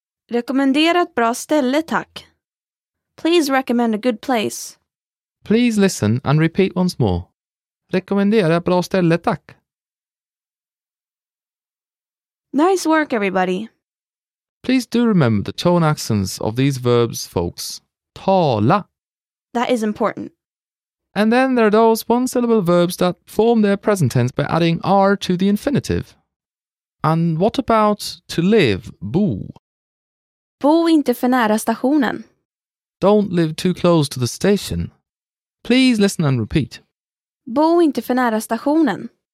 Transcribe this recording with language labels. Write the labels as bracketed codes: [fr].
[sv] Rekommendera ett bra ställe, tack. [en] Please recommend a good place. Please listen and repeat once more. [sv] Rekommendera ett bra ställe, tack. [en] Nice work, everybody. Please do remember the tone accents of these verbs, folks. [sv] Tala. [en] That is important. And then there are those one-syllable verbs that form their present tense by adding R to the infinitive. And what about to live, bo? [sv] Bo inte för nära stationen. [en] Don't live too close to the station. Please listen and repeat. [sv] Bo inte för nära stationen.